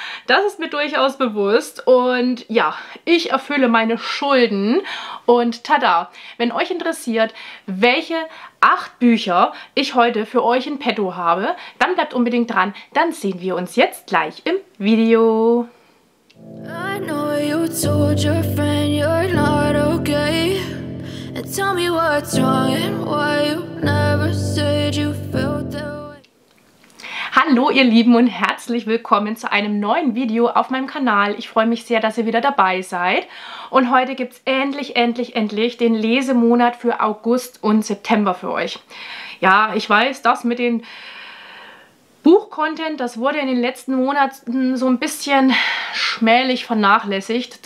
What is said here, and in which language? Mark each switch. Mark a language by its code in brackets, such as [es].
[de] Das ist mir durchaus bewusst. Und ja, ich erfülle meine Schulden. Und tada, wenn euch interessiert, welche 8 Bücher ich heute für euch in petto habe, dann bleibt unbedingt dran. Dann sehen wir uns jetzt gleich im Video. [en] I know you told your friend you're not okay. And tell me what's wrong and why you never said you felt that way. [de] Hallo ihr Lieben und herzlich willkommen zu einem neuen Video auf meinem Kanal. Ich freue mich sehr, dass ihr wieder dabei seid. Und heute gibt's endlich den Lesemonat für August und September für euch. Ja, ich weiß, das mit den Buchcontent, das wurde in den letzten Monaten so ein bisschen schmählich vernachlässigt.